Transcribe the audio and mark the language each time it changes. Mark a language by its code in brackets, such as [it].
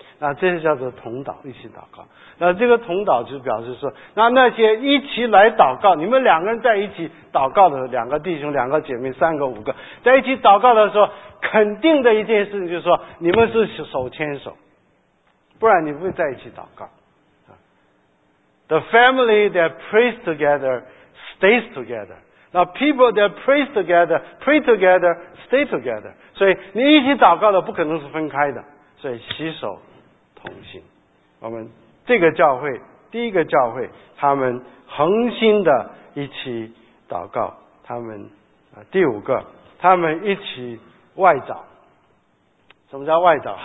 [zh] 那这是叫做同祷，一起祷告。那这个同祷就表示说，那些一起来祷告，你们两个人在一起祷告的时候，两个弟兄、两个姐妹、三个、五个在一起祷告的时候，肯定的一件事情就是说，你们是手牵手，不然你不会在一起祷告。 [en] The family that prays together stays together. Now people that pray together stay together. [zh] 所以你一起祷告的不可能是分开的，所以携手同心。我们这个教会，第一个教会，他们恒心的一起祷告。他们第五个，他们一起外找。什么叫外找？